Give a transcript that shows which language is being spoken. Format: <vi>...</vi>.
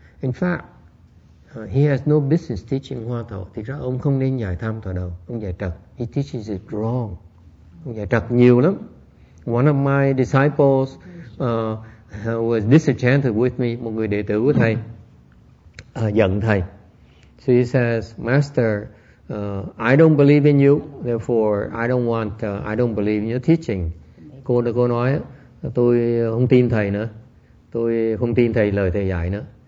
<en>In fact, he has no business teaching hoa thổ.</en> <vi>Thì ra ông không nên dạy tham thọ đầu. Ông dạy trật.</vi> <en>He teaches it wrong.</en> <vi>Ông dạy trật nhiều lắm.</vi> <en>One of my disciples was disenchanted with me,</en> <vi>một người đệ tử của thầy, giận thầy.</vi> <en>So he says, Master, I don't believe in you, therefore I don't believe in your teaching.</en> <vi>Cô nói, tôi không tin thầy nữa, tôi không tin thầy lời thầy dạy nữa.</vi>